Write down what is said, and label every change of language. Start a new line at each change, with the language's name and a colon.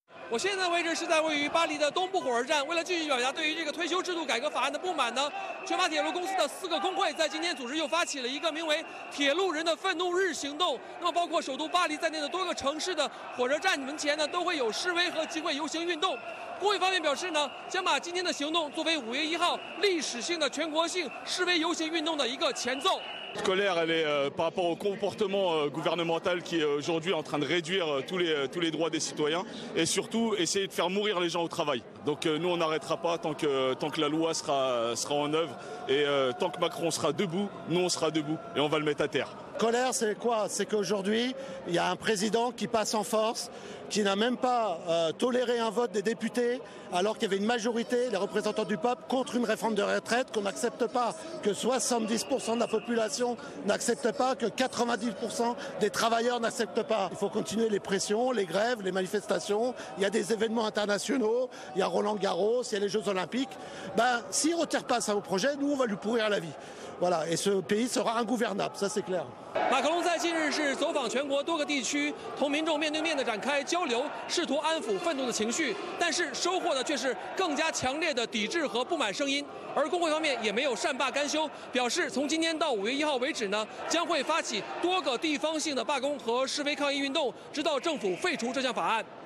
Chinese: 我现在位置是在位于巴黎的东部火车站，为了继续表达对于这个退休制度改革法案的不满呢，全法铁路公司的四个工会在今天组织又发起了一个名为铁路人的愤怒日行动。那么包括首都巴黎在内的多个城市的火车站门前呢，都会有示威和集会游行运动。工会方面表示呢，将把今天的行动作为5月1号历史性的全国性示威游行运动的一个前奏。
French: Colère, elle est par rapport au comportement gouvernemental qui est aujourd'hui en train de réduire tous les droits des citoyens et surtout essayer de faire mourir les gens au travail. Donc nous, on n'arrêtera pas tant que la loi sera en œuvre et tant que Macron sera debout, nous, on sera debout et on va le mettre à terre. Colère, c'est quoi ? C'est qu'aujourd'hui, il y a un président qui passe en force, qui n'a même pas toléré un vote des députés alors qu'il y avait une majorité, les représentants du peuple, contre une réforme de retraite qu'on n'accepte pas, que 70% de la population n'accepte pas, que 90% des travailleurs n'acceptent pas. Il faut continuer les pressions, les grèves, les manifestations. Il y a des événements internationaux, il y a Roland Garros, il y a les Jeux Olympiques. Ben, s'il ne retire pas ça au projet, nous, on va lui pourrir la vie. Voilà, et ce pays sera ingouvernable, ça c'est clair.
Chinese: 马克龙在近日是走访全国多个地区，同民众面对面的展开交流，试图安抚愤怒的情绪，但是收获的却是更加强烈的抵制和不满声音。而工会方面也没有善罢甘休，表示从今天到5月1号为止呢，将会发起多个地方性的罢工和示威抗议运动，直到政府废除这项法案。